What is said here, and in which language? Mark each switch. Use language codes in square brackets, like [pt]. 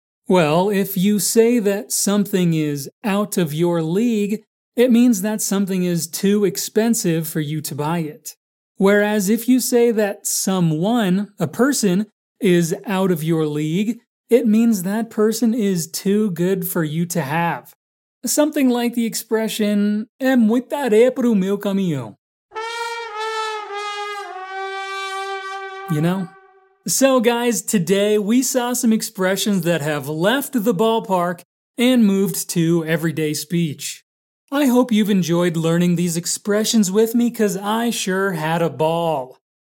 [en] Well, if you say that something is out of your league, it means that something is too expensive for you to buy it. Whereas if you say that someone, a person, is out of your league, it means that person is too good for you to have. Something like the expression, [pt] é muita areia para o meu caminhão. [en] You know? So guys, today we saw some expressions that have left the ballpark and moved to everyday speech. I hope you've enjoyed learning these expressions with me, because I sure had a ball.